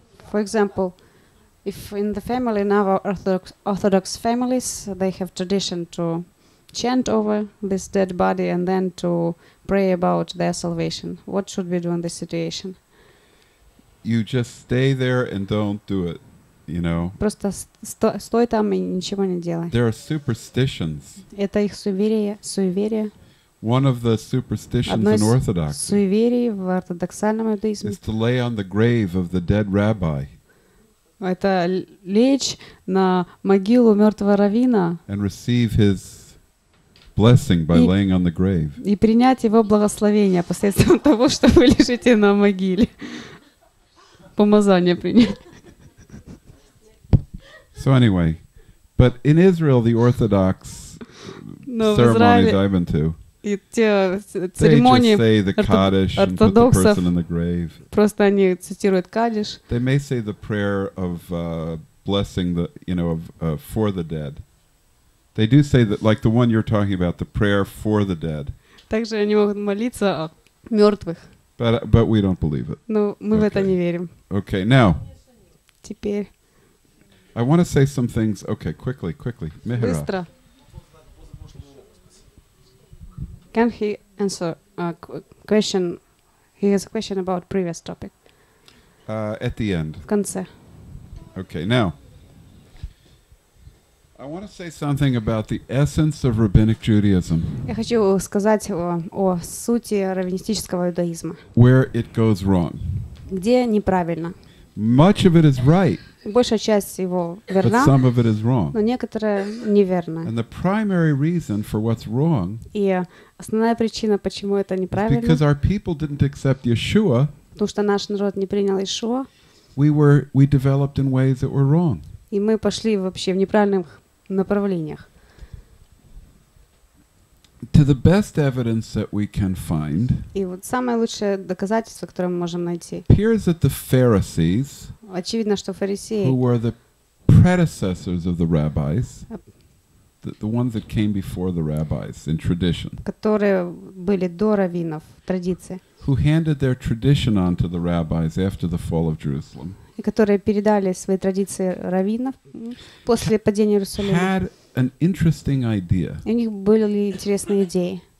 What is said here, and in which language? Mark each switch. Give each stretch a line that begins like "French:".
English: For example, if in the family, in our Orthodox families, they have tradition to chant over this dead body and then to pray about their salvation. What should we do in this situation? You just stay there and don't do it, you know.
Russian: Просто стой там и ничего не делай.
English: There are superstitions.
Russian: Это их суеверия.
English: One of the superstitions in Orthodoxy.
Russian: Одно из суеверий в ортодоксальном иудаизме.
English: Is to lay on the grave of the dead rabbi.
Russian: Это лечь на могилу мертвого раввина.
English: And receive his blessing by laying on the grave.
Russian: И принять его благословение посредством того, что вы лежите на могиле. Помазание принять.
English: So anyway, but in Israel the Orthodox ceremonies I've been to.
Russian: И те церемонии ортодоксов. Просто они цитируют кадиш.
English: They may say the prayer of blessing the, you know, of for the dead. They do say that, like the one you're talking about, the prayer for the dead.
Russian: Также они могут молиться о мертвых.
English: But we don't believe it.
Russian: Но мы в это не верим.
English: Okay, now.
Russian: Теперь.
English: I want to say some things. Okay, quickly. Mihra.
Russian: Быстро.
English: Can he answer a question? He has a question about previous topic. At the end.
Russian: В конце.
English: Okay, now. I want to say something about the essence of rabbinic Judaism.
Russian: Я хочу сказать о сути раввинистического иудаизма.
English: Where it goes wrong.
Russian: Где неправильно.
English: Much of it is right.
Russian: Большая часть его верна.
English: But some of it is wrong.
Russian: Но некоторое неверно.
English: And the primary reason for what's wrong.
Russian: И основная причина, почему это неправильно.
English: Is because our people didn't accept Yeshua.
Russian: Потому что наш народ не принял Иешуа.
English: We developed in ways that were wrong.
Russian: И мы пошли вообще в неправильных направлениях.
English: To the best evidence that we can find.
Russian: И вот самое лучшее доказательство, которое мы можем найти.
English: Appears that the Pharisees.
Russian: Очевидно, что фарисеи.
English: Who were the predecessors of the rabbis. The ones that came before the rabbis in tradition.
Russian: Которые были до раввинов в традиции.
English: Who handed their tradition on to the rabbis after the fall of Jerusalem.
Russian: И которые передали свои традиции раввинов после падения Иерусалима.
English: Had an interesting idea.
Russian: И у них были интересные идеи.